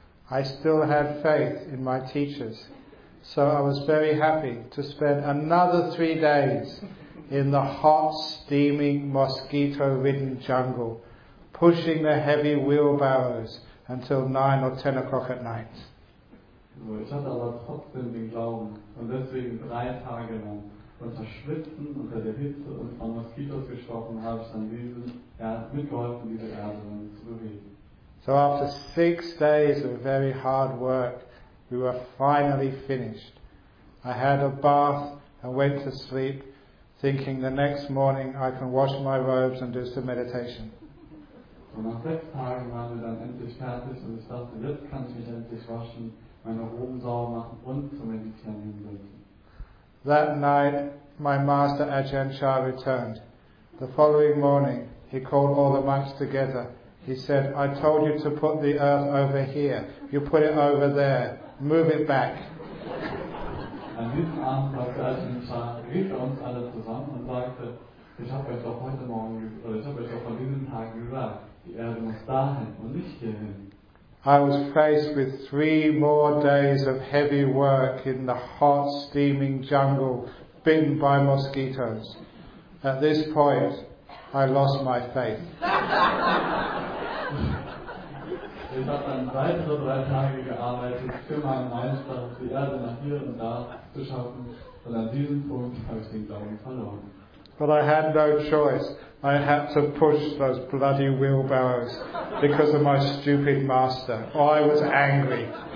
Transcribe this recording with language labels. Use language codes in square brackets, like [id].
[en] I still had faith in my teachers, so I was very happy to spend another 3 days in the hot, steaming, mosquito-ridden jungle, pushing the heavy wheelbarrows until 9 or 10 o'clock at night. [de] So, ich hatte aber trotzdem den Glauben und deswegen 3 Tage lang unter Schwitzen, unter der Hitze und von Moskitos gestochen habe ich dann diesen mitgeholfen, diese Erde zu bewegen. [en] So after 6 days of very hard work, we were finally finished. I had a bath and went to sleep, thinking the next morning I can wash my robes and do some meditation. [de] So nach 6 Tagen waren wir dann endlich fertig und ich dachte, jetzt kann ich mich endlich waschen, meine Roben sauber machen und zum Meditieren hinsetzen. [en] That night, my master Ajahn Chah returned. The following morning, he called all the monks together. He said, "I told you to put the earth over here. You put it over there. Move it back." [de] An diesem Abend sagte Ajahn Chah, rief er uns alle zusammen und sagte, ich habe euch doch heute Morgen, oder ich habe euch doch von diesen Tagen gesagt, die Erde muss dahin und nicht hierhin. [en] I was faced with 3 more days of heavy work in the hot, steaming jungle, bitten by mosquitoes. At this point, I lost my faith. [de] Ich habe dann weitere 3 Tage gearbeitet für meinen Meister, die Erde nach hier und da zu schaffen, und an diesem Punkt habe ich den Glauben verloren. [en] But I had no choice. I had to push those bloody wheelbarrows because of my stupid master. Oh, I was angry.